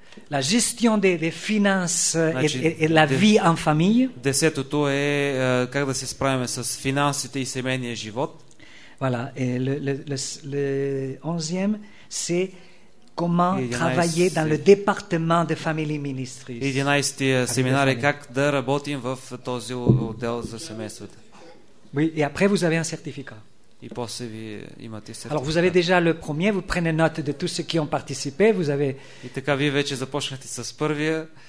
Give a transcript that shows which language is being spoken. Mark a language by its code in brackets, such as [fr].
[fr] La gestion des finances, значи, et la vie en famille. [bg] Десетото е как да се справим с финансите и семейния живот. [fr] Voilà, et le 11e, c'est comment travailler dans le département de family ministries. [bg] 11-ти семинар е как да работим в този отдел за семействата. [fr] Oui, et après vous avez un certificat. [bg] И после ви имате сертификат. [fr] Alors vous avez déjà le premier, vous prenez note de tous ceux qui ont participé, vous avez. [bg] И така вие вече започнахте с първия.